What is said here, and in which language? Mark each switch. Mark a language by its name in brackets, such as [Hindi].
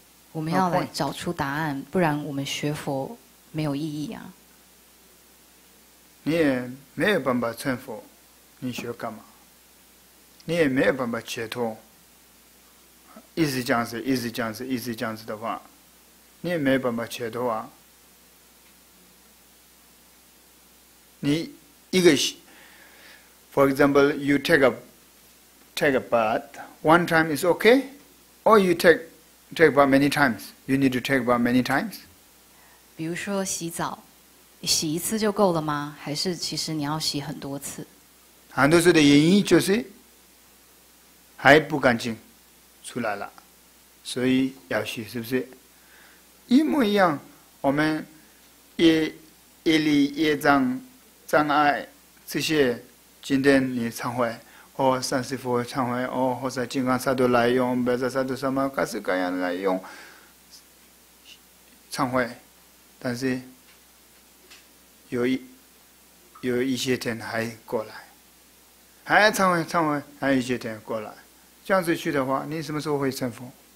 [Chinese] 我们要来找出答案，不然我们学佛没有意义啊。你也没有办法成佛，你学干嘛？你也没有办法解脱，一直这样子，一直这样子，一直这样子的话。你也没办法解脱啊。你一个 [English] ，for example, you take a bath one time is okay, or you take bath many times. You need to take bath many times. [Chinese] 比如说洗澡，洗一次就够了吗？还是其实你要洗很多次？很多次的原因就是还不干净，出来了，所以要洗，是不是？一模一样，我们业力、业障、障碍这些，今天你忏悔，哦，三世佛忏悔，哦，或者金刚萨埵来用，白沙萨埵什么各式各样来用忏悔，但是有一些天还过来，还要忏悔，还有一些天过来，这样子去的话，你什么时候会成佛？